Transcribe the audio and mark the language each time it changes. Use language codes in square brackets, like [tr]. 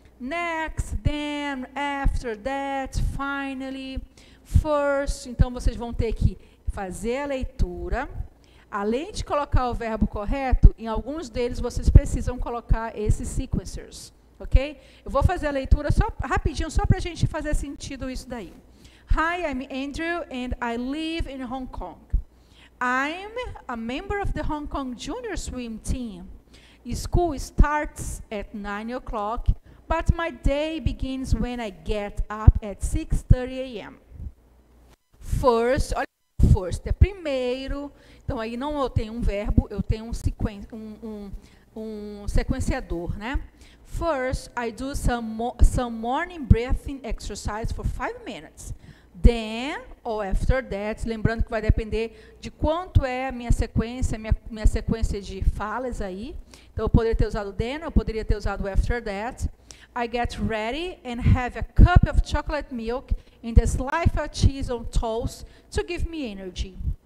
[en] Next, then, after, that, finally, first. [pt] Então, vocês vão ter que fazer a leitura. Além de colocar o verbo correto, em alguns deles, vocês precisam colocar esses sequencers. Ok? Eu vou fazer a leitura só rapidinho, só para a gente fazer sentido isso daí. [en] Hi, I'm Andrew and I live in Hong Kong. I'm a member of the Hong Kong Junior Swim Team. School starts at 9 o'clock, but my day begins when I get up at 6:30 a.m. [pt] First, olha, first, é primeiro. Então, aí não eu tenho um verbo, eu tenho um sequenciador, né? [en] First, I do some morning breathing exercise for 5 minutes. Then, [pt] ou after that, lembrando que vai depender de quanto é a minha sequência de falas aí. [en] Então, eu poderia ter usado then, eu poderia ter usado after that. I get ready and have a cup of chocolate milk and a slice of cheese on toast to give me energy.